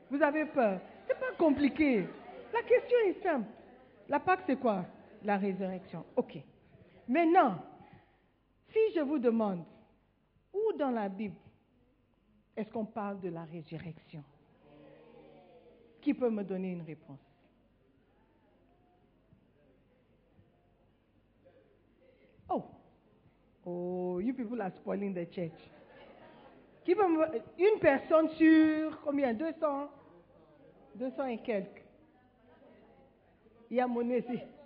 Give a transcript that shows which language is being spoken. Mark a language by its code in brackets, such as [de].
[fr] Vous avez peur? C'est pas compliqué. La question est simple. La Pâque, c'est quoi? La résurrection. Ok. Maintenant, si je vous demande, où dans la Bible est-ce qu'on parle de la résurrection? Qui peut me donner une réponse? [en] Oh, oh, you people are spoiling the church. [fr] Une personne sur combien? 200? 200 et quelques. Il y a Monet aussi.